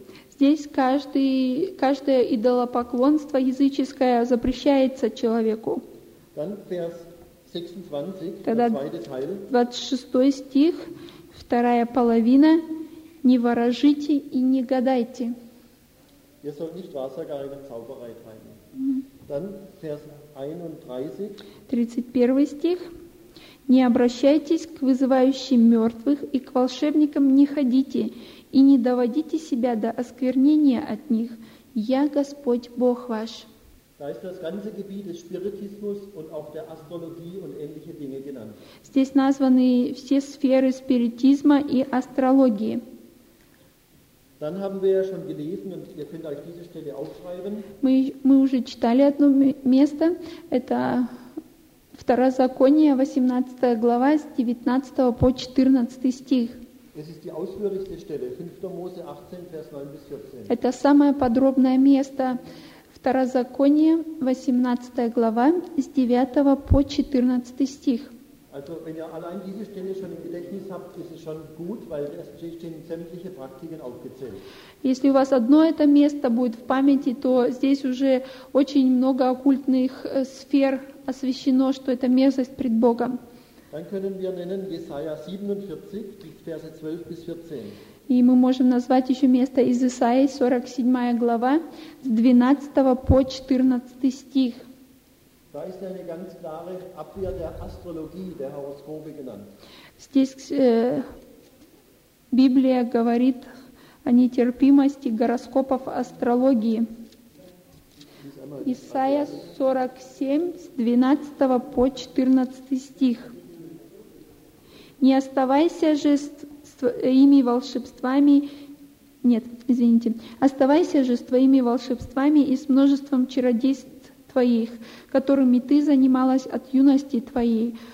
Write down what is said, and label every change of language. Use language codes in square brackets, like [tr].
[ru] Здесь каждое идолопоклонство языческое запрещается человеку. Тогда 26 стих, вторая половина. «Не ворожите и не гадайте». [de] Ihr sollt nicht Wahrsagerei und Zauberei treiben. Dann Vers 31. [ru] 31 стих. Не обращайтесь к вызывающим мертвых и к волшебникам не ходите и не доводите себя до осквернения от них. Я Господь, Бог ваш. [de] Da ist das ganze Gebiet des Spiritismus und auch der Astrologie und ähnliche Dinge genannt. [ru] Здесь названы все сферы спиритизма и астрологии. [de] Dann haben wir ja schon gelesen und ihr könnt euch diese Stelle aufschreiben. [ru] Мы уже читали одно место. Это Второзаконие, 18 глава, с 19 по 14 стих. [de] Es ist die ausführlichste Stelle, 5. Mose 18, Vers 9 bis 14. [ru] Это самое подробное место. Второзаконие, 18 глава, с 9 по 14 стих. [de] Also, wenn ihr allein diese Stelle schon im Gedächtnis habt, ist es schon gut, weil es stehen sämtliche Praktiken aufgezählt. [ru] Если у вас одно это место будет в памяти, то здесь уже очень много оккультных сфер освящено, что это мерзость пред Богом. [de] Dann können wir nennen Jesaja 47, die Verse 12 bis 14. [ru] И мы можем назвать еще место из Исаии, 47 глава, с 12 по 14 стих. [de] Da ist eine ganz klare Abwehr der Astrologie, der Horoskope genannt. [ru] Здесь Библия говорит о нетерпимости гороскопов астрологии. Исайя 47, с 12 по 14 стих. «Не оставайся же с твоими волшебствами, нет, извините, оставайся же с твоими волшебствами и с множеством чародейств твоих, которыми ты занималась от юности твоей.